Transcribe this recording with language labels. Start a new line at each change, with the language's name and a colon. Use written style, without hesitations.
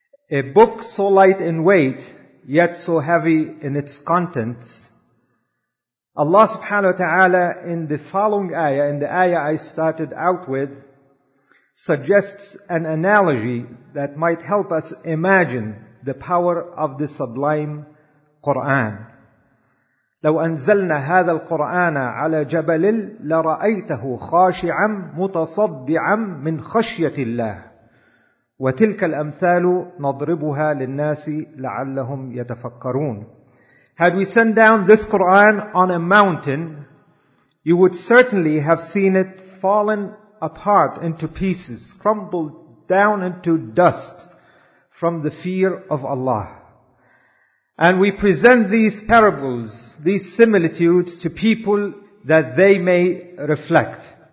English: A book so light in weight, yet so heavy in its contents. Allah subhanahu wa ta'ala, in the following ayah, in the ayah I started out with, suggests an analogy that might help us imagine the power of the sublime Qur'an.
Arabic: لو أنزلنا هذا القرآن على جبل لرأيته خاشعا متصدعا من خشية الله وتلك الأمثال نضربها للناس لعلهم يتفكرون.
English: Had we sent down this Quran on a mountain, you would certainly have seen it fallen apart into pieces, crumbled down into dust from the fear of Allah. And we present these parables, these similitudes to people that they may reflect.